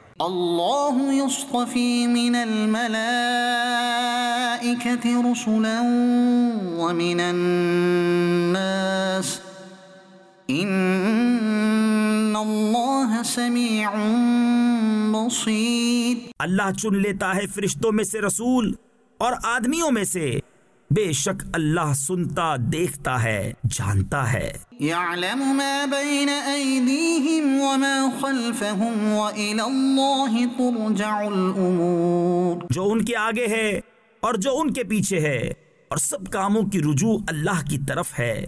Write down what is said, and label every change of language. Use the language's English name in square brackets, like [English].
[Arabic] اللہ یصطفی من الملائکة رسلا ومن الناس ان اللہ سمیع بصیر [Urdu] اللہ چن لیتا ہے فرشتوں میں سے رسول اور آدمیوں میں سے، بے شک اللہ سنتا دیکھتا ہے جانتا ہے [Arabic] يعلم ما بين ايديهم وما خلفهم والى الله ترجع الامور [Urdu] جو ان کے آگے ہے اور جو ان کے پیچھے ہے اور سب کاموں کی رجوع اللہ کی طرف ہے